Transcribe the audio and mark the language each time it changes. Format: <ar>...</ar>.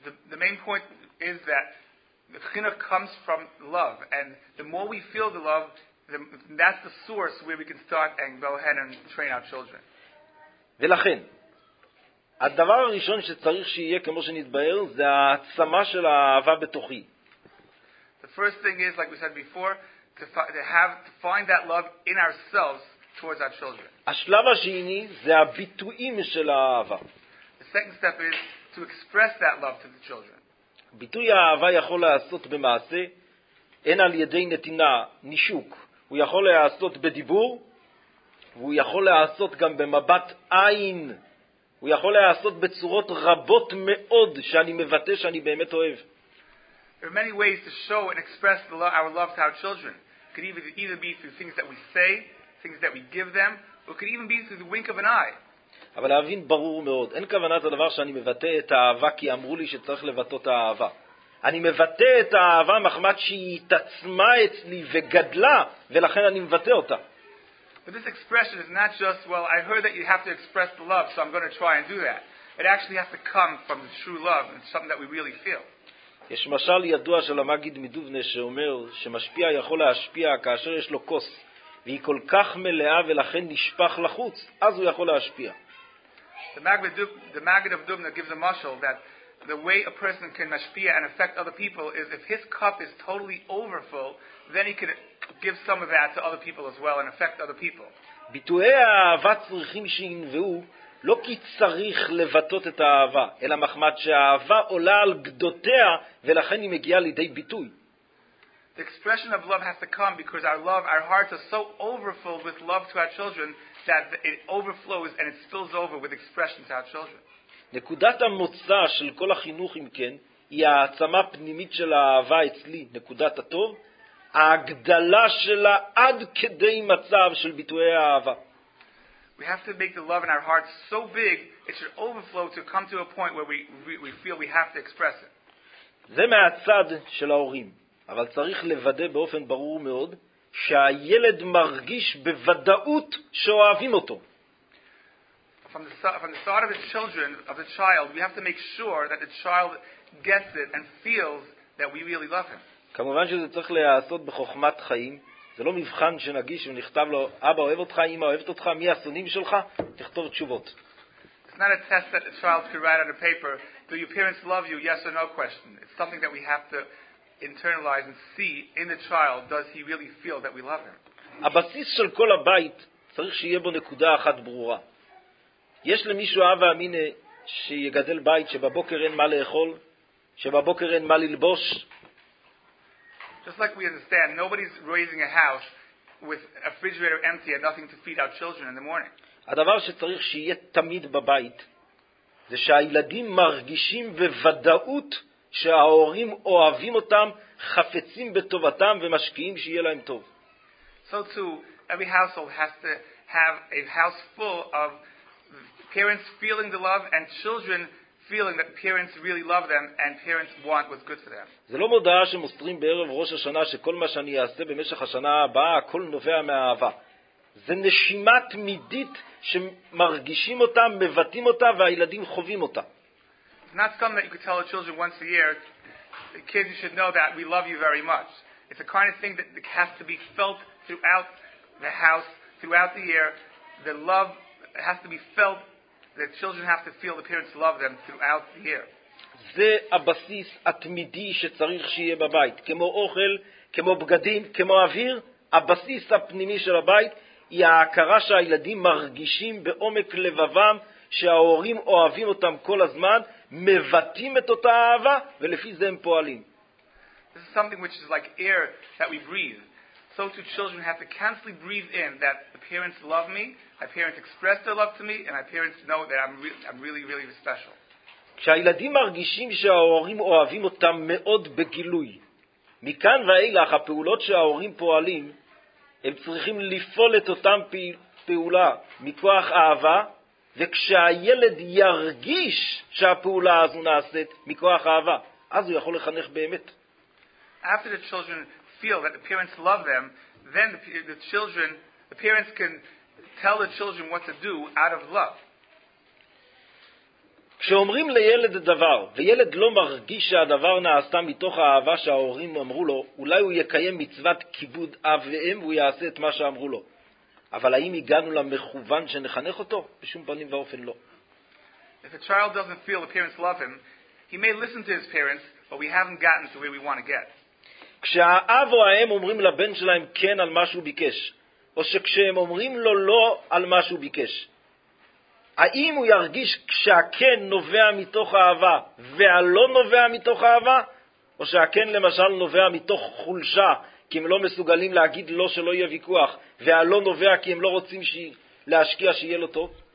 <en>The main point is that the chinuch comes from love, and the more we feel the love, that's the source where we can start and go ahead and train our children.</en> <he>ולכן, הדבר הראשון שצריך שיהיה כמו שנתבהר, זה העצמה של האהבה בתוכי.</he> <en>The first thing is, like we said before, to find that love in ourselves towards our children.</en> <he>השלב השני זה הביטויים של האהבה.</he> <en>The second step is to express that love to the children.</en> <he>ביטוי האהבה יכול לעשות במעשה, אין על ידי נתינה נישוק, הוא יכול לעשות בדיבור, והוא יכול לעשות גם במבט עין, הוא יכול לעשות בצורות רבות מאוד שאני מבטא שאני באמת אוהב.</he> <en>There are many ways to show and express the love, our love to our children. It could either be through things that we say, things that we give them, or it could even be through the wink of an eye.</en> <he>אבל להבין ברור מאוד, אין כוונת הדבר שאני מבטא את האהבה כי אמרו לי שצריך לבטא את האהבה. אני מבטא את האהבה מחמת שהיא התעצמה אצלי וגדלה, ולכן אני מבטא אותה.</he> <en>But this expression is not just, well, I heard that you have to express the love, so I'm going to try and do that. It actually has to come from the true love, and it's something that we really feel.</en> <he>יש משל ידוע של המגיד מדובנה שאומר שמשפיע יכול להשפיע כאשר יש לו כוס, והיא כל כך מלאה ולכן נשפח לחוץ, אז הוא יכול להשפיע.</he> <en>The Magid of Dubna gives a mashal that the way a person can mashpia and affect other people is if his cup is totally overfull, then he can give some of that to other people as well and affect other people.</en> <he>ביטויי האהבה צריכים שינבעו לא כי צריך לבטות את האהבה, אלא מחמת שהאהבה עולה על גדותיה ולכן היא מגיעה לידי ביטוי.</he> <en>The expression of love has to come because our love, our hearts are so overfull with love to our children that it overflows and it spills over with expression to our children.</en> <he>נקודת המוצא של כל החינוך, אם כן, היא העצמה פנימית של האהבה אצלי, נקודת הטוב, ההגדלה שלה עד כדי מצב של ביטויי האהבה.</he> <en>We have to make the love in our hearts so big it should overflow to come to a point where we feel we have to express it.</en> <he>זה מהצד של ההורים, אבל צריך לוודא באופן ברור מאוד שהילד מרגיש בוודאות שאוהבים אותו.</he> <en>From the side of the children, of the child, we have to make sure that the child gets it and feels that we really love him.</en> <he>כמובן שזה צריך להיעשות בחוכמת חיים. זה לא מבחן שנגיש ונכתב לו, אבא אוהב אותך, אמא אוהבת אותך, מי הסונים שלך? תכתוב תשובות.</he> <en>It's not a test that a child could write on a paper, do your parents love you, yes or no question. It's something that we have to internalize and see in the child, does he really feel that we love him.</en> <he>הבסיס של כל הבית צריך שיהיה בו נקודה אחת ברורה. יש למישהו אבא אמינה שיגדל בית שבבוקר אין מה לאכול, שבבוקר אין מה ללבוש?</he> <en>Just like we understand, nobody's raising a house with a refrigerator empty and nothing to feed our children in the morning.</en> <he>הדבר שצריך שיהיה תמיד בבית זה שהילדים מרגישים בוודאות שההורים אוהבים אותם, חפצים בטובתם ומשקיעים שיהיה להם טוב.</he> <en>So too, every household has to have a house full of parents feeling the love and children feeling that parents really love them and parents want what's good for them.</en> <he>זה לא מודעה שמוסרים בערב ראש השנה שכל מה שאני אעשה במשך השנה הבאה הכל נובע מהאהבה. זה נשימה תמידית שמרגישים אותה, מבטאים אותה והילדים חווים אותה.</he> <en>It's not something that you could tell the children once a year. The kids should know that we love you very much. It's a kind of thing that has to be felt throughout the house, throughout the year. The love has to be felt. The children have to feel the parents love them throughout the year.</en> <he>זה הבסיס התמידי שצריך שיהיה בבית, כמו אוכל, כמו בגדים, כמו אוויר. הבסיס הפנימי של הבית היא ההכרה שהילדים מרגישים בעומק לבבם שההורים אוהבים אותם כל הזמן, מבטאים את אותה אהבה ולפי זה הם פועלים.</he> <en>This is something which is like air that we breathe. So two children have to constantly breathe in that the parents love me, my parents express their love to me, and my parents know that I'm really special.</en> <he>כשהילדים מרגישים שההורים אוהבים אותם מאוד בגילוי, מכאן ואילך הפעולות שההורים פועלים, הם צריכים לפעול את אותם פעולה מכוח אהבה, וכשהילד ירגיש שהפעולה הזו נעשית מכוח אהבה, אז הוא יכול לחנך באמת.</he> <en>After the children feel that the parents love them, then the parents can tell the children what to do out of love.</en> <he>כשאומרים לילד דבר וילד לא מרגיש שהדבר נעשה מתוך האהבה שההורים אמרו לו, אולי הוא יקיים מצוות כיבוד אב ואם והוא יעשה את מה שאמרו לו. אבל האם הגענו למכוון שנחנך אותו? בשום פנים ואופן לא.</he> <en>If a child doesn't feel the parents love him, he may listen to his parents, but we haven't gotten to where we want to get.</en> <he>כשהאב או האם אומרים לבן שלהם כן על מה שהוא ביקש, או שכשהם אומרים לו לא על מה שהוא ביקש, האם הוא ירגיש כשהכן נובע מתוך אהבה והלא נובע מתוך אהבה, או שהכן למשל נובע מתוך חולשה, כי הם לא מסוגלים להגיד לא שלא יהיה ויכוח, והלא נובע כי הם לא רוצים להשקיע שיהיה לו טוב?</he>